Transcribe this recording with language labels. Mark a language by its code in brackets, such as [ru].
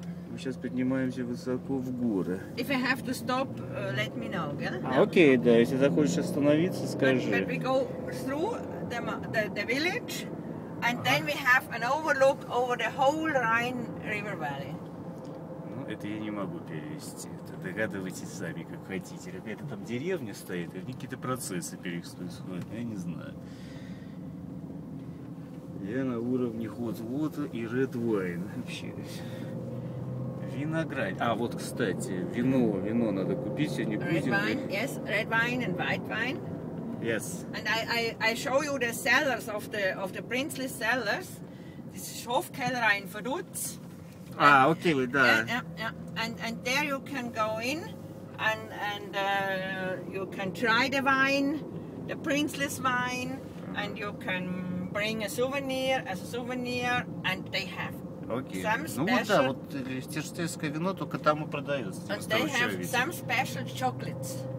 [ru] Мы сейчас поднимаемся высоко в горы. [en] If I have to stop, let me know, yeah? [ru] Окей, да, если захочешь остановиться, скажи. [en] But we go through the village, and then we have an overlook over the whole Rhine River Valley. [ru] Это я не могу перевести. Это догадывайтесь сами, как хотите. Ребята, там деревня стоит, и в ней какие-то процессы происходят. Я не знаю. Я на уровне [en] hot water [ru] и [en] red wine [ru] вообще. Виноград. А, вот, кстати, вино. Вино надо купить, а не [en] red [ru] будем. [en] Red wine, yes. Red wine and white wine. Yes. And I show you the cellars of the princely cellars. This is Hofkellerei in Vaduz. Ah, okay, we're done. And there you can go in and you can try the wine, the princeless wine, and you can bring a souvenir as a souvenir, and they have okay. Some [ru] ну, Ну да, вот лихтенштейнское вино только там и продается. [en] And they have some special chocolates.